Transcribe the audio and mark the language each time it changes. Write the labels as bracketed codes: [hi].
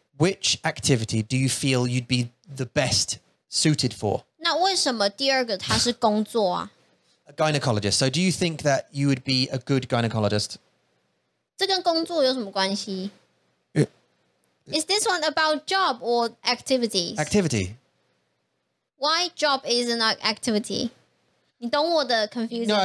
[en] which activity do you feel you'd be the best suited for? [zh] 那为什么第二个它是工作啊? [en] A gynecologist. So do you think that you would be a good gynecologist? [zh] 这跟工作有什么关系? [en] Is this one about job or activities? Activity. Why job isn't like activity? [zh] 你懂我的 [en] confusion?